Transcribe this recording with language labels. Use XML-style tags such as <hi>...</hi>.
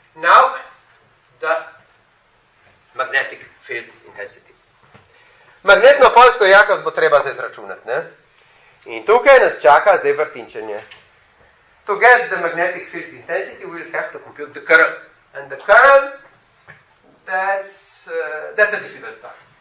<en>Now, the magnetic field intensity.</en> <sl>Magnetno polsko jakost bo treba zdaj zračunati. Ne? In tukaj nas čaka zdaj vrtinčenje.</sl> <en>To get the magnetic field intensity, we will have to compute the current. And the current, that's a difficult stuff.</en>